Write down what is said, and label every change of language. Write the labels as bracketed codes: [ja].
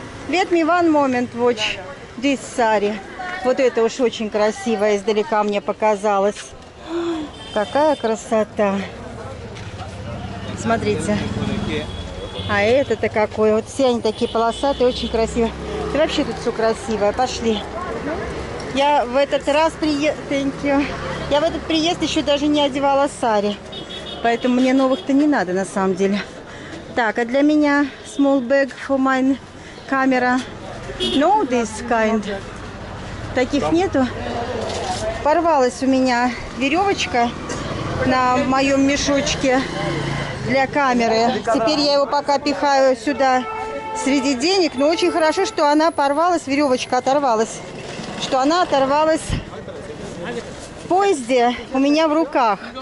[en] Let me one moment watch this сари. [ru] Вот это уж очень красиво издалека мне показалось. Какая красота. Смотрите. А это-то какое. Вот все они такие полосатые, очень красивые. Ты вообще тут все красивое. Пошли. Я в этот раз приехала. [en] Thank you. [ru] Я в этот приезд еще даже не одевала сари. Поэтому мне новых-то не надо на самом деле. Так, а для меня [en] small bag for mine camera. No this kind. [ru] Таких нету. Порвалась у меня веревочка на моем мешочке для камеры. Теперь я его пока пихаю сюда среди денег. Но очень хорошо, что она порвалась, веревочка оторвалась. Что она оторвалась в поезде у меня в руках.